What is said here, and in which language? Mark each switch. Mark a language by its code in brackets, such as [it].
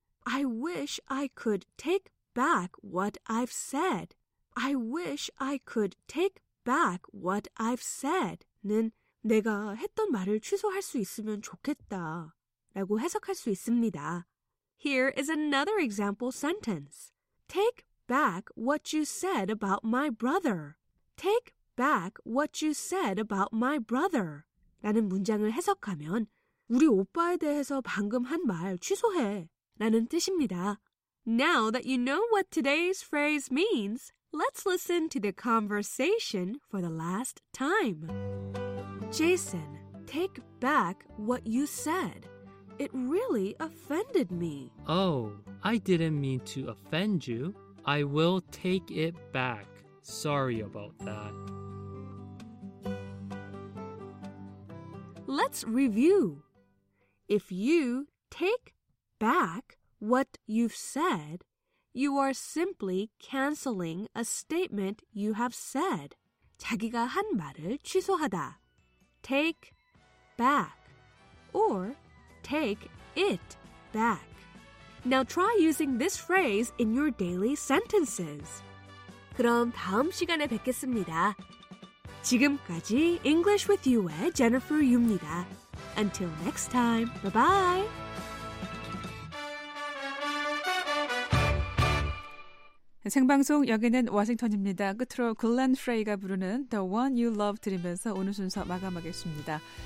[en] I wish I could take back what I've said. I wish I could take back what I've said. [ko] 는 내가 했던 말을 취소할 수 있으면 좋겠다 라고 해석할 수 있습니다. [en] Here is another example sentence. Take back what you said about my brother. Take back what you said about my brother. [ko] 라는 문장을 해석하면 우리 오빠에 대해서 방금 한 말 취소해 라는 뜻입니다. [en] Now that you know what today's phrase means, let's listen to the conversation for the last time. Jason, take back what you said. It really offended me. Oh, I didn't mean to offend you. I will take it back. Sorry about that. Let's review. If you take back what you've said, you are simply canceling a statement you have said. [ko] 자기가 한 말을 취소하다. [en] Take back or take it back. Now try using this phrase in your daily sentences. [ko] 그럼 다음 시간에 뵙겠습니다. 지금까지 English with You의 Jennifer Yu입니다. [en] Until next time, bye-bye! bye. [ko] 생방송 여기는 워싱턴입니다. 끝으로 글렌 프레이가 부르는 The One You Love 들으면서 오늘 순서 마감하겠습니다.